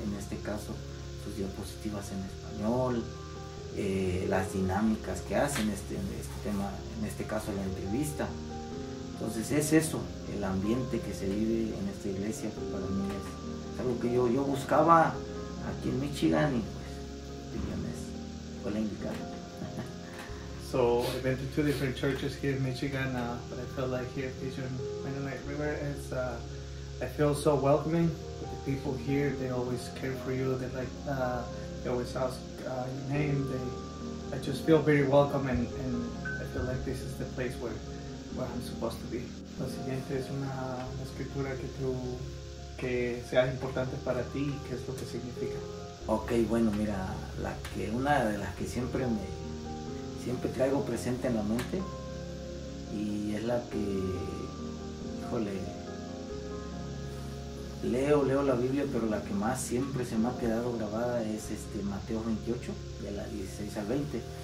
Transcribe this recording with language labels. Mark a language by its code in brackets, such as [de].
[es] En este caso, sus diapositivas en español, las dinámicas que hacen este tema, en este caso la entrevista. Entonces es eso, el ambiente que se vive en esta iglesia, que para mí es algo que yo buscaba aquí en Michigan, y pues Pillones fue la indicada. [en] So I've been to 2 different churches here in Michigan, but I feel like here at Pigeon Mennonite River, it's I feel so welcoming with the people here. They always care for you. They like they always ask your name. I just feel very welcome, and I feel like this is the place where I'm supposed to be. [es] La siguiente es una escritura que sea importante para ti, qué es lo que significa. Okay, bueno, mira, una de las que siempre traigo presente en la mente, y es la que, híjole, leo la Biblia, pero la que más siempre se me ha quedado grabada es Mateo 28, de la 16 al 20.